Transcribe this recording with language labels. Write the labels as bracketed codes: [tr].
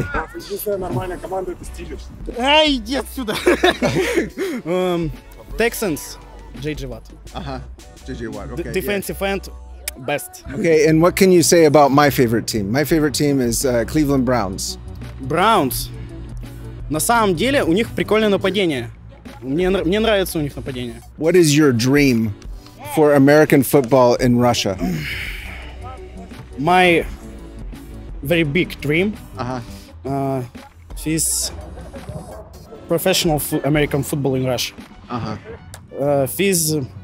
[en] Hey, get out of here. Texans. JJ Watt. JJ Watt. Okay, defensive end, best. Okay, and what can you say about my favorite team? My favorite team is Cleveland Browns. Browns. [ru] На самом деле, у них прикольное нападение. Мне нравится у них нападение. [en] What is your dream for American football in Russia? My very big dream. Is professional American football in Russia. Is